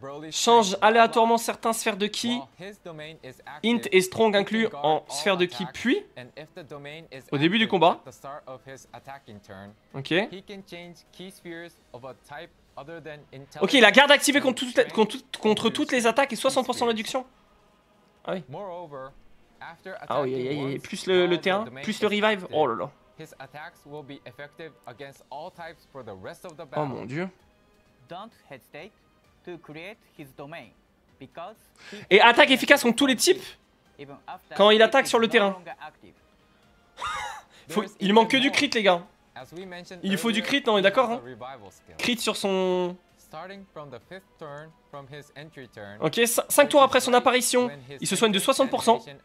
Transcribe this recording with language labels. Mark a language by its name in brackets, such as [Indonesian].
[French] Change aléatoirement certains sphères de ki. Int et strong inclus en sphère de ki. Puis, au début du combat. [English] Of his attacking turn. [French] Ok. [English] He can change key spheres of a type other than intelligence. [French] Ok, la garde activée contre toutes les attaques et 60% réduction. Ah oui. [English] Moreover, after attacking [French] ah oui, yeah, yeah, yeah. Plus le terrain, plus le revive. Oh là là. [English] His attacks will be effective against all types for the rest of the battle. [French] Oh mon dieu. [English] Don't hesitate to create his domain because [French] et attaque efficace contre tous les types. Quand il attaque sur le terrain. Il manque que du crit, les gars. Il faut du crit, non, on est d'accord. Hein. Crit sur son. [English] starting from the fifth turn from his entry turn. [French] Ok, 5 tours après son apparition, il se soigne de 60%.